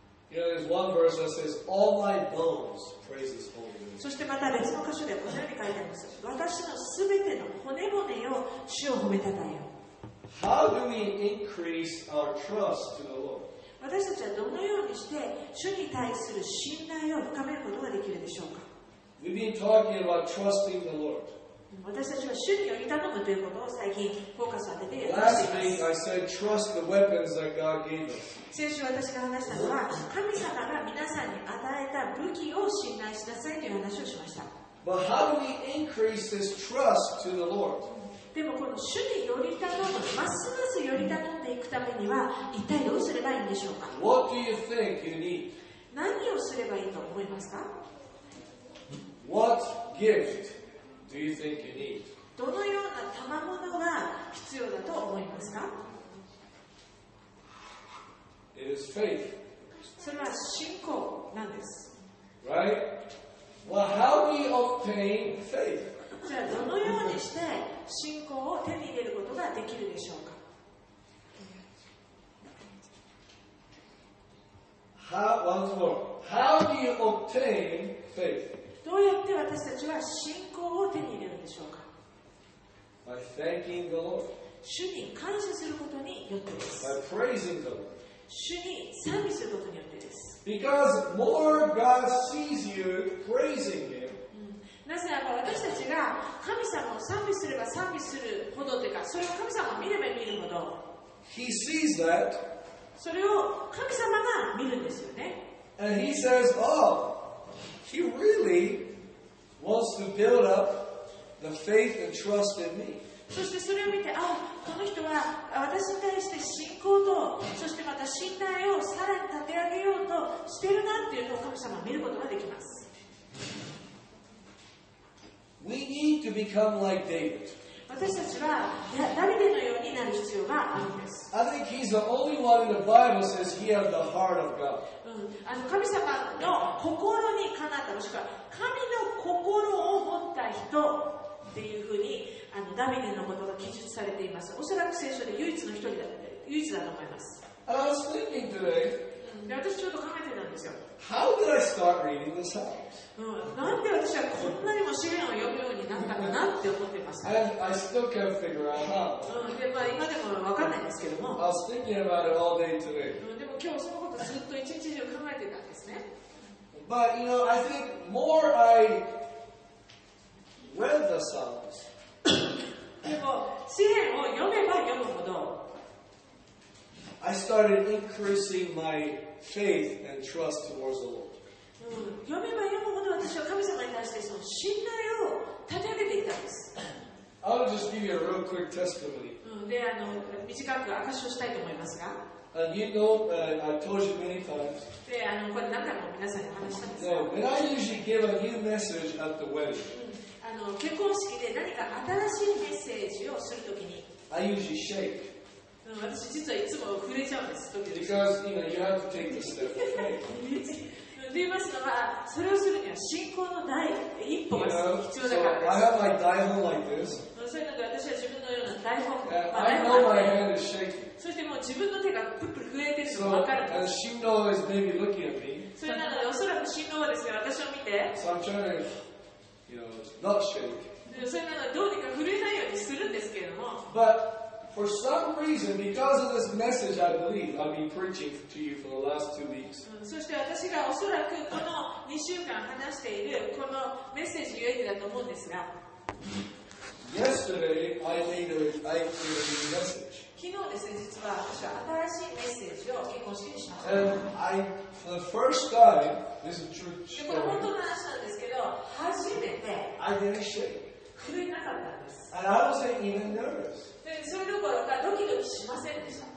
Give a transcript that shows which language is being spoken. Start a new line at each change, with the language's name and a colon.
English: You know, there's one verse that says, "All my bones praise His holy name."
Japanese: そしてまた別の箇所でこのように書いてあります。私のすべての骨骨よ、主を褒めたたえよ。
English: How do we increase our trust to the Lord?
Japanese: 私たちはどのようにして主に対する信頼を深めることができるでしょうか。
English: We've been talking about trusting the Lord.
Japanese: 私たちは主により頼むということを最近フォーカスを当てています。
English: Last week I said trust the weapons that God gave us.
Japanese: 先週私が話したのは、神様が皆さんに与えた武器を信頼しなさいという話をしました。
English: But how do we increase this trust to the Lord?
Japanese: でもこの主により頼む、ますますより頼っていくためには、一体どうすればいいんでしょうか?
English: What do you think you need?
Japanese: 何をすればいいと思いますか?
English: What gift do you think you need?
Japanese: どのような賜物が必要だと思いますか?
English: It is faith.
Japanese: それは信仰なんです。
English: Right? Well, how we obtain faith?
Japanese: じゃあどのようにして信仰を手に入れることができるでしょうか?
English: How, once more, how do you obtain faith?
Japanese: どうやって私たちは信仰を手に入れるんでしょうか?
English: By thanking the Lord.
Japanese: 主に感謝することによってです。
English: By praising the Lord.
Japanese: 主に賛美することによってです。
English: Because more God sees you praising Him.
Japanese: なぜなら私たちが神様を賛美すれば賛美するほどというか、それを神様を見れば見るほど。
English: He sees that.
Japanese: それを神様が見るんですよね。
English: And He says, "Oh, He really wants to build up the faith and trust in me."
Japanese: そしてそれを見て、あ、この人は私に対して信仰と、そしてまた信頼をさらに立て上げようとしてるなっていうのを神様は見ることができます。
English: We need to become like David.
Japanese: 私たちはダビデのようになる必要があるんです。
English: I think he's the only one in the Bible says he had the heart of God.
Japanese: 神様の心にかなった、もしくは神の心を持った人っていうふうに。ダビデのことが記述されています。おそらく聖書で唯一の一人だ、唯一だと思います。
English: I was thinking today,
Japanese: 私ちょうど考えてたんですよ。
English: How did I start reading this out?
Japanese: なんで私はこんなにも詩篇を読むようになったかなって思ってました。
English: I still can't figure out how.
Japanese: で、まあ、今でも分かんないんですけども。
English: I was thinking about it all day today.
Japanese: でも今日そのことずっと一日中考えてたんですね。
English: But you know, I think more I read the Psalms.
Japanese: でも詩篇を読めば読むほど、
English: I started increasing my faith and trust towards the Lord.
Japanese: 読めば読むほど私は神様に対してその信頼を立て上げていたんです。
English: I'll just give you a real quick testimony.
Japanese: で、短く証しをしたいと思いますが。
English: You know, I told you many times.
Japanese: で、これ何回も皆さんに話したんですが。
English: No, when I usually give a new message at the wedding.
Japanese: 結婚式で何か新しいメッセージをするときに、
English: I usually shake.
Japanese: 私実はいつも震えちゃうんです。
English: Because you know you have to take the step.
Japanese: と言いますのは、それをするには信仰の第一歩が必要だからです。
English: So, I have my 台本 like this.
Japanese: それなんか私は自分のような台本、
English: I know my hand is shaking.
Japanese: そしてもう自分の手がプップル震えてるのが分かるんです。
English: So, and 新郎 is maybe looking at me.
Japanese: それなのでおそらく新郎はですね、私を見て、
English: So I'm trying to. You know, not shake.
Japanese: それならどうにか震えないようにするんですけれども。
English: But for some reason, because of this message, I believe I've been preaching to you for the last two weeks.
Japanese: そして私がおそらくこの2週間話しているこのメッセージゆえにだと思うんですが。
English: Yesterday, I made a new message.
Japanese: 昨日ですね、実は私は新しいメッセージを結婚式にしました。
English: And I, for the first time, this is a true story.
Japanese: これ本当の話なんですけど、初めて
English: I didn't shake.
Japanese: 震えなかったんです。ます。
English: And I wasn't even nervous.
Japanese: で、それどころかドキドキしませんでした。